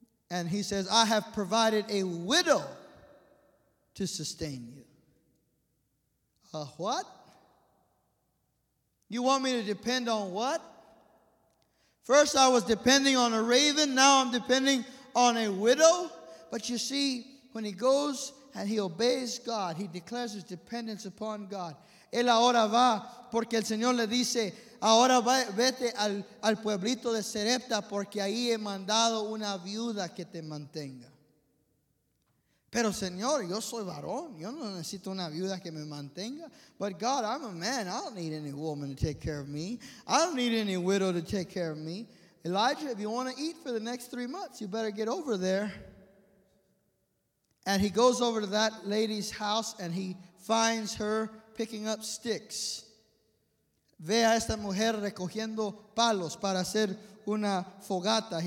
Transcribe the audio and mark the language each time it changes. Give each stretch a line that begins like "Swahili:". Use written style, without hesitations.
English: And he says, I have provided a widow to sustain you. A what? You want me to depend on what? First I was depending on a raven, now I'm depending on a widow. But you see, when he goes and he obeys God, he declares his dependence upon God.
Spanish: Él ahora va porque el Señor le dice, ahora vete al pueblito de Serepta porque ahí he mandado una viuda que te mantenga. Pero Señor, yo soy varón. Yo no necesito una viuda que me mantenga.
English: But God, I'm a man. I don't need any woman to take care of me. I don't need any widow to take care of me. Elijah, if you want to eat for the next 3 months, you better get over there. And he goes over to that lady's house and he finds her picking up sticks.
Spanish: Ve a esta mujer recogiendo palos para hacer una fogata.